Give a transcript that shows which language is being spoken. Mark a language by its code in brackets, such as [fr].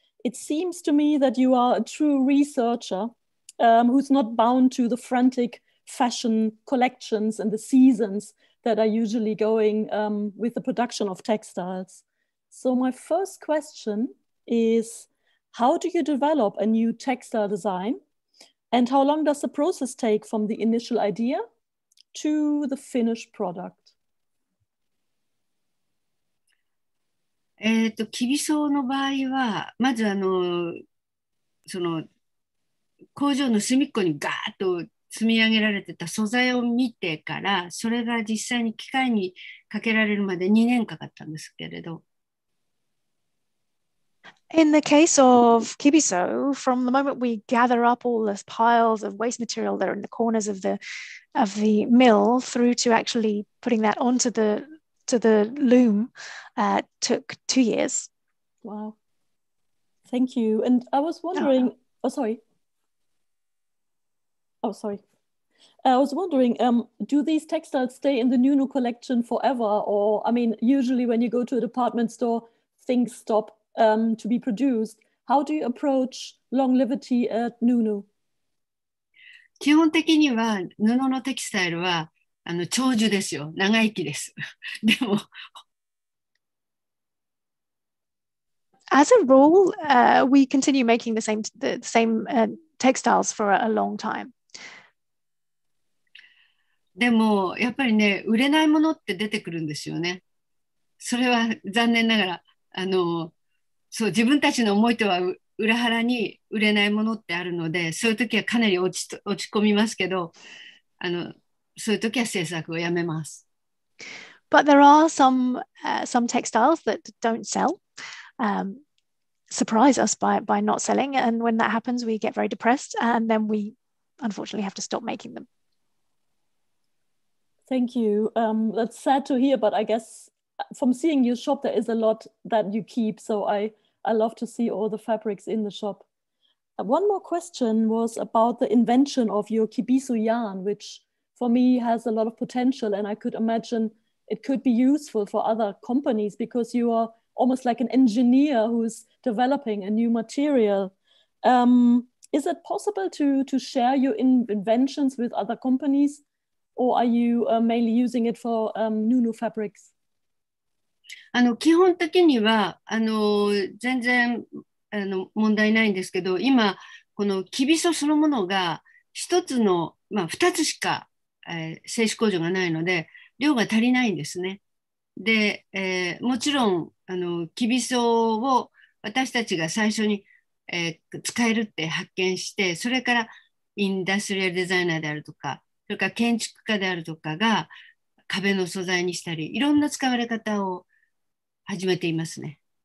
[en] It seems to me that you are a true researcher who's not bound to the frantic fashion collections and the seasons that are usually going with the production of textiles. So my first question is, how do you develop a new textile design? And how long does the process take from the initial idea to the finished product? [ja] キビソウの場合は、まずその工場の隅っこにガーッと積み上げられてた素材を見てから、それが実際に機械にかけられるまで2年かかったんですけれど。 [en] In the case of kibiso, from the moment we gather up all the piles of waste material that are in the corners of the mill through to actually putting that onto the loom took 2 years. Wow. Thank you. And I was wondering, I was wondering, do these textiles stay in the Nunu collection forever? Or, I mean, usually when you go to a department store, things stop to be produced. How do you approach longevity at Nunu? [ja] 基本的には布のテキスタイルは長寿ですよ。長生きです。でも。 [en] As a rule, we continue making the same textiles for a long time. [ja] でもやっぱりね、売れないものって出てくるんですよね。それは残念ながら、そう、自分たちの思いとは裏腹に売れないものってあるので、そういう時はかなり落ち込みますけど、そういう時は制作をやめます。 [en] But there are some textiles that don't sell, surprise us by not selling, and when that happens, we get very depressed, and then we unfortunately have to stop making them. Thank you. That's sad to hear, but I guess from seeing your shop, there is a lot that you keep, so I love to see all the fabrics in the shop. One more question was about the invention of your kibisu yarn, which for me has a lot of potential, and I could imagine it could be useful for other companies because you are almost like an engineer who's developing a new material. Is it possible to share your inventions with other companies, or are you mainly using it for Nunu fabrics? [ja] 基本的には全然問題ないんですけど、今このキビソそのものが2つしか製紙工場がないので量が足りないんですね。で、もちろんキビソを私たちが最初に、使えるって発見して、それからインダストリアルデザイナーであるとか、それから建築家であるとかが壁の素材にしたり、いろんな使われ方を始めていますね。